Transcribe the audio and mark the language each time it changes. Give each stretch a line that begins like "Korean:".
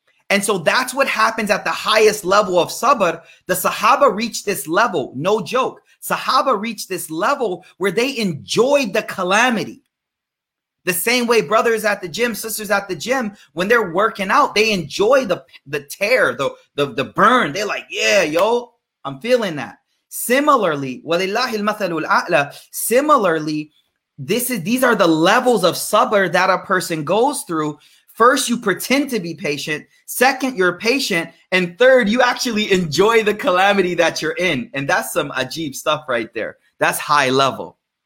English: And so that's what happens at the highest level of sabr. The Sahaba reached this level, no joke. Sahaba reached this level where they enjoyed the calamity. The same way brothers at the gym, sisters at the gym, when they're working out, they enjoy the tear, the burn. They're like, yeah, yo, I'm feeling that.
Arabic: Similarly, وَلِلَّهِ الْمَثَلُ الْأَعْلَى.
English: Similarly, these are the levels of sabr that a person goes through. First, you pretend to be patient. Second, you're patient. And third, you actually enjoy the calamity that you're in. And that's some ajib stuff right there. That's high level.